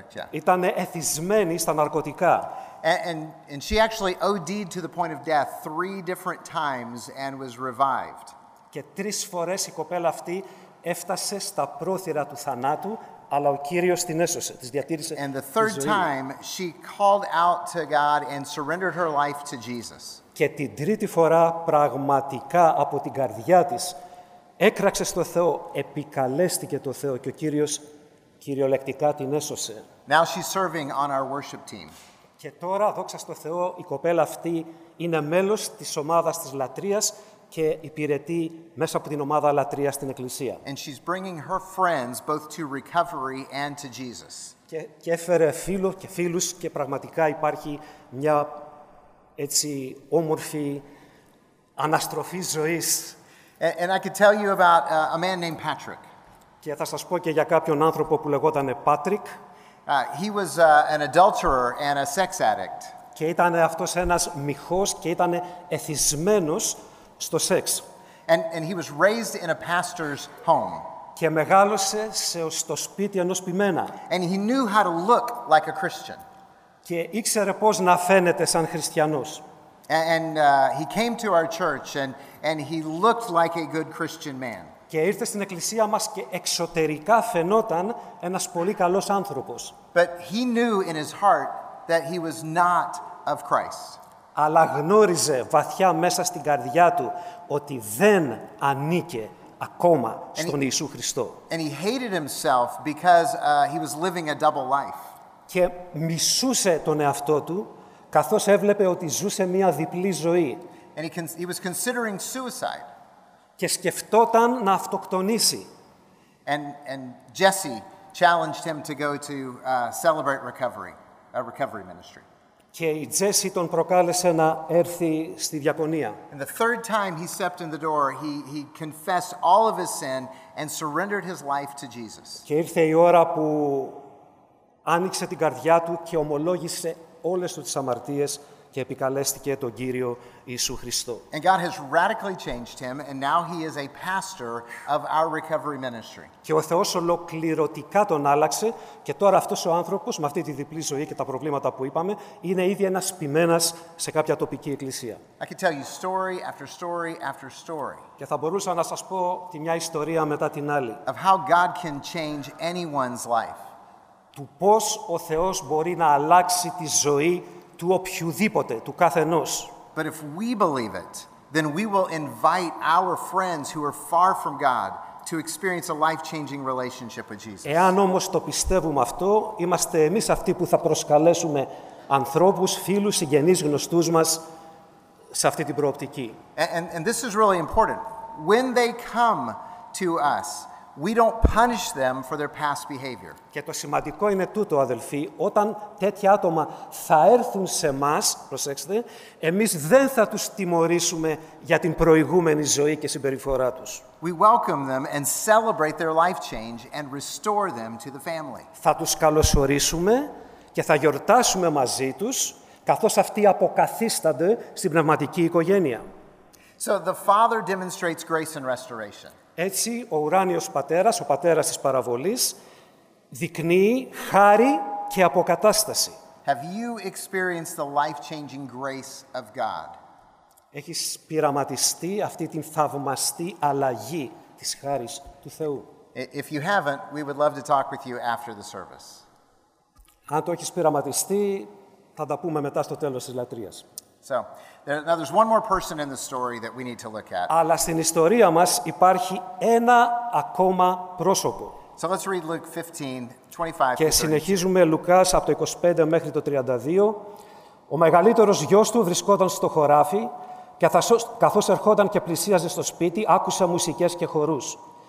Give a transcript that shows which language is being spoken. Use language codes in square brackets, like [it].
[el] Ήτανε εθισμένη στα ναρκωτικά. [en] And she actually OD'd to the point of death 3 different times and was revived. [el] Και τρεις φορές η κοπέλα αυτή έφτασε στα πρόθυρα του θανάτου, αλλά ο Κύριος την έσωσε, της διατήρησε τη ζωή. [en] And the third time she called out to God and surrendered her life to Jesus. [el] Και την τρίτη φορά πραγματικά από την καρδιά της έκραξε στο Θεό, επικαλέστηκε το Θεό και ο Κύριος κυριολεκτικά την έσωσε. [en] Now she's serving on our worship team. [el] Και τώρα, δόξα στο Θεό, η κοπέλα αυτή είναι μέλος της ομάδας της λατρείας και υπηρετεί μέσα από την ομάδα λατρείας στην εκκλησία. [en] And she's bringing her friends both to recovery and to Jesus. [el] Και έφερε φίλο και φίλους και πραγματικά υπάρχει μια έτσι όμορφη αναστροφή ζωής. [en] And I could tell you about a man named Patrick. [el] Και θα σας πω και για κάποιον άνθρωπο που λεγόταν Patrick. [en] He was an adulterer and a sex addict. [el] Και ήταν αυτός ένας μιχός και ήταν εθισμένος στο σεξ. [en] And he was raised in a pastor's home. [el] Και μεγάλωσε στο σπίτι ενός ποιμένα. [en] And he knew how to look like a Christian. [el] Και ήξερε πώς να φαίνεται σαν χριστιανός. [en] And he came to our church and he looked like a good Christian man. [el] Και ήρθε στην εκκλησία μας και εξωτερικά φαινόταν ένας πολύ καλός άνθρωπος. [en] But he knew in his heart that he was not of Christ. [el] Αλλά γνώριζε βαθιά μέσα στην καρδιά του ότι δεν ανήκε ακόμα στον Ιησού Χριστό. [en] And he hated himself because he was living a double life. [el] Και μισούσε τον εαυτό του καθώς έβλεπε ότι ζούσε μια διπλή ζωή. [en] And he was considering suicide. [el] Και σκεφτόταν να αυτοκτονήσει. [en] And Jesse challenged him to go to celebrate recovery, a recovery ministry. [el] Και η Jesse τον προκάλεσε να έρθει στη διακονία. [en] And the third time he stepped in the door, he confessed all of his sin and surrendered his life to Jesus. [el] Και ήρθε η ώρα που άνοιξε την καρδιά του και ομολόγησε όλες τις αμαρτίες και επικαλέστηκε τον Κύριο Ιησού Χριστό. [en] And God has radically changed him and now he is a pastor of our recovery ministry. [el] Και ο Θεός ολοκληρωτικά τον άλλαξε και τώρα αυτός ο άνθρωπος με αυτή τη διπλή ζωή και τα προβλήματα που είπαμε είναι ήδη ένας ποιμένας σε κάποια τοπική εκκλησία. [en] I could tell you story after story after story. [el] Και θα μπορούσα να σας πω τη μια ιστορία μετά την άλλη. [en] Of how God can change anyone's life. [el] Του πώς ο Θεός μπορεί να αλλάξει τη ζωή του οποιοδήποτε, του καθενός. [en] But if we believe it, then we will invite our friends who are far from God to experience a life-changing relationship with Jesus. [el] Εάν όμως το πιστεύουμε αυτό, είμαστε εμείς αυτοί που θα προσκαλέσουμε ανθρώπους, φίλους, συγγενείς, γνωστούς μας σε αυτή την προοπτική. [en] And this is really important. When they come to us, we don't punish them for their past behavior. [el] Και το σημαντικό είναι τούτο, αδελφοί, όταν τέτοια άτομα θα έρθουν σε μας, προσέξτε, εμείς δεν θα τους τιμωρήσουμε για την προηγούμενη ζωή και συμπεριφορά τους. [en] We welcome them and celebrate their life change and restore them to the family. [el] Θα τους καλωσορίσουμε και θα γιορτάσουμε μαζί τους, καθώς αυτοί αποκαθίστανται στην πνευματική οικογένεια. [en] So the Father demonstrates grace and restoration. [el] Έτσι, ο ουράνιος πατέρας, ο πατέρας της παραβολής, δεικνύει χάρη και αποκατάσταση. [en] Have you experienced the life-changing grace of God? [el] Έχεις πειραματιστεί αυτή την θαυμαστή αλλαγή της χάρης του Θεού? [en] If you haven't, we would love to talk with you after the service. [el] Αν το έχεις πειραματιστεί, θα τα πούμε μετά στο τέλος της λατρείας. [en] So, now there's one more person in the story that we need to look at. [el] Αλλά στην ιστορία μας υπάρχει ένα ακόμα πρόσωπο. [en] So let's read Luke 15, 25. [el] Και συνεχίζουμε Λουκάς από το 25 μέχρι το 32. Ο μεγαλύτερος γιος του βρισκόταν στο χωράφι και καθώς ερχόταν και πλησίαζε στο σπίτι, άκουσε μουσικές και χορούς.